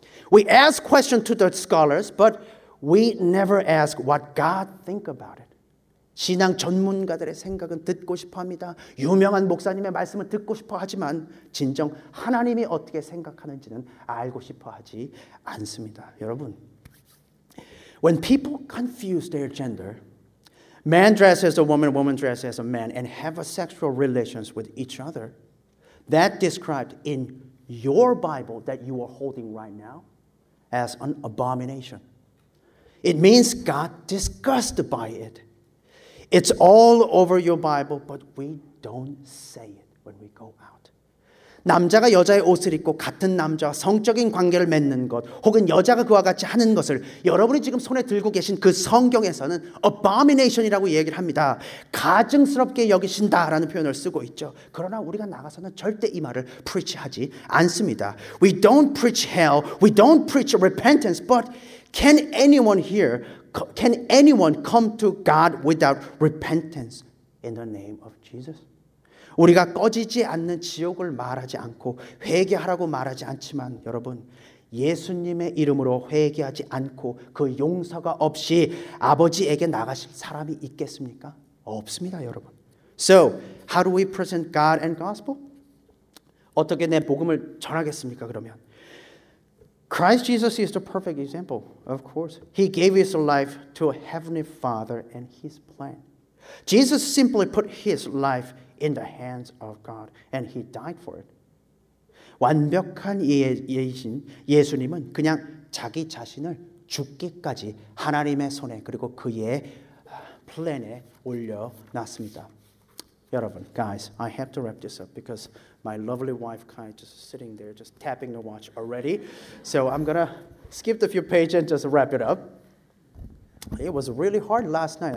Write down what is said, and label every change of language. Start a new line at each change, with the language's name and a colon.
English: We ask questions to the scholars, but we never ask what God think about it.
Korean: 신앙 전문가들의 생각은 듣고 싶어 합니다. 유명한 목사님의 말씀을 듣고 싶어 하지만 진정 하나님이 어떻게 생각하는지는 알고 싶어 하지 않습니다. 여러분,
English: When people confuse their gender, man dresses as a woman, woman dresses as a man, and have a sexual relations with each other, that described in your Bible that you are holding right now as an abomination. It means God disgusted by it. It's all over your Bible, but we don't say it when we go out.
Korean: 남자가 여자의 옷을 입고 같은 남자와 성적인 관계를 맺는 것, 혹은 여자가 그와 같이 하는 것을 여러분이 지금 손에 들고 계신 그 성경에서는 abomination이라고 얘기를 합니다. 가증스럽게 여기신다라는 표현을 쓰고 있죠. 그러나 우리가 나가서는 절대 이 말을 preach하지 않습니다.
English: We don't preach hell, we don't preach repentance, but can anyone here Can anyone come to God without repentance in the name of Jesus?
Korean: 우리가 꺼지지 않는 지옥을 말하지 않고 회개하라고 말하지 않지만 여러분 예수님의 이름으로 회개하지 않고 그 용서가 없이 아버지에게 나가실 사람이 있겠습니까? 없습니다, 여러분.
English: So, how do we present God and gospel?
Korean: 어떻게 내 복음을 전하겠습니까, 그러면?
English: Christ Jesus is the perfect example, of course. He gave his life to a heavenly Father and his plan. Jesus simply put his life in the hands of God and he died for it.
Korean: 완벽한 예이신 예수님은 그냥 자기 자신을 죽기까지 하나님의 손에 그리고 그의 플랜에 올려놨습니다. 여러분,
English: guys, I have to wrap this up because my lovely wife Kai is just sitting there just tapping the watch already. So I'm going to skip a few pages and just wrap it up. It was really hard last night.